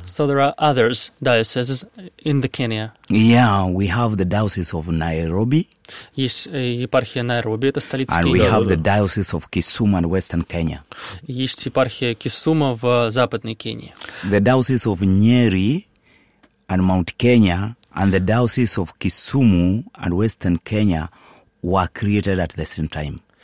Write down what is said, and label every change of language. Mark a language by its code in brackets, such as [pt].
[en] So there are others dioceses in the Kenya. Yeah, we have the diocese of Nairobi. [ru] Есть епархия Найроби, это столица [en] Кении. And we have the diocese of Kisumu in western Kenya. [ru] Есть епархия Кисума в западной Кении. [en] The diocese of Nyeri and Mount Kenya and the diocese of Kisumu and western Kenya were created at the same time.